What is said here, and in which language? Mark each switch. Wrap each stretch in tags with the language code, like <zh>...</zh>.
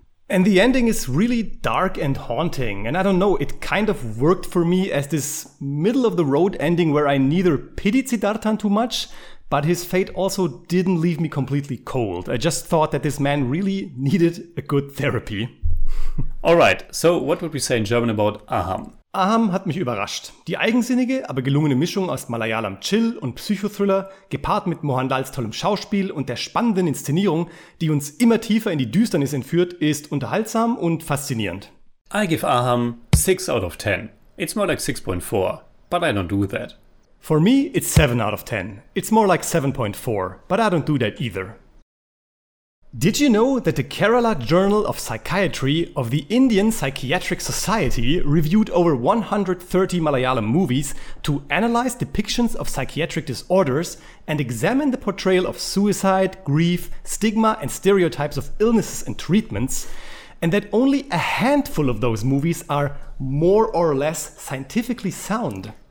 <en>And the ending is really dark and haunting, and I don't know, it kind of worked for me as this middle-of-the-road ending where I neither pitied Siddhartha too much, but his fate also didn't leave me completely cold. I just thought that this man really needed a good therapy. Alright, so what would we say in German about Aham?</en> <de>Aham hat mich überrascht. Die eigensinnige, aber gelungene Mischung aus Malayalam Chill und Psychothriller, gepaart mit Mohanlals tollem Schauspiel und der spannenden Inszenierung, die uns immer tiefer in die Düsternis entführt, ist unterhaltsam und faszinierend.</de> <en>I give Aham 6 out of 10. It's more like 6.4, but I don't do that. For me, it's 7 out of 10. It's more like 7.4, but I don't do that either. Did you know that the Kerala Journal of Psychiatry of the Indian Psychiatric Society reviewed over 130 Malayalam movies to analyze depictions of psychiatric disorders and examine the portrayal of suicide, grief, stigma, and stereotypes of illnesses and treatments, and that only a handful of those movies are more or less scientifically sound?</en>